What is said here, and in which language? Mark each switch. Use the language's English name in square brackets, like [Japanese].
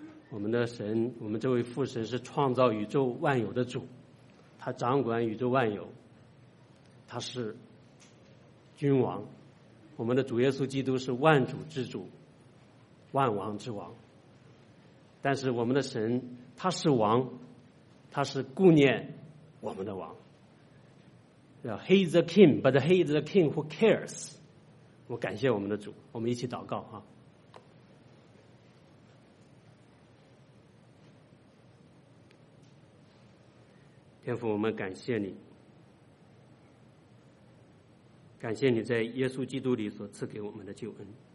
[Chinese] 我们的神，我们这位父神是创造宇宙万有的主，他掌管宇宙万有，他是君王。我们的主耶稣基督是万主之主，万王之王。但是我们的神他是王，他是顾念我们的王。 [English] He is the king, but he is the king who cares。 [Chinese] 我感谢我们的主，我们一起祷告啊！天父，我们感谢你，感谢你在耶稣基督里所赐给我们的救恩。